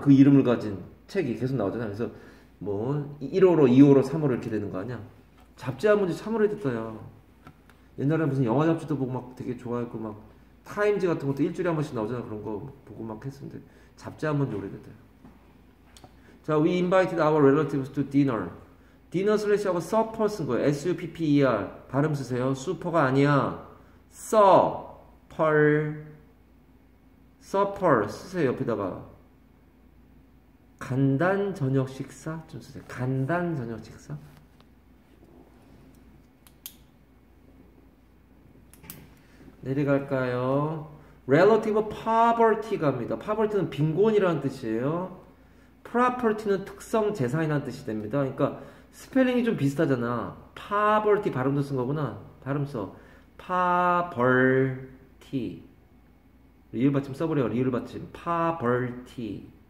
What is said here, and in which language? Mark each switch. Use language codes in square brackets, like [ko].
[ko] 그 이름을 가진 책이 계속 나오잖아. 그래서 뭐 1호로 2호로 3호로 이렇게 되는 거 아니야? 잡지 한 문제 3호로 됐다야. 옛날에 무슨 영화 잡지도 보고 막 되게 좋아했고 막 타임즈 같은 것도 일주일에 한 번씩 나오잖아. 그런 거 보고 막 했었는데 잡지 한 번도 오래됐대. [en] 자, we invited our relatives to dinner. [ko] dinner slash 하고 supper 쓴 거예요. supper 발음 쓰세요. 슈퍼가 아니야. supper 쓰세요. 옆에다가 간단 저녁 식사 좀 쓰세요. 간단 저녁 식사. 내려갈까요? [en] relative poverty 갑니다. [ko] poverty는 빈곤이라는 뜻이에요. property는 특성, 재산이라는 뜻이 됩니다. 그러니까 스펠링이 좀 비슷하잖아. poverty 발음도 쓴 거구나. 발음 써. poverty. 리을받침 써버려. 리을받침. [en] poverty.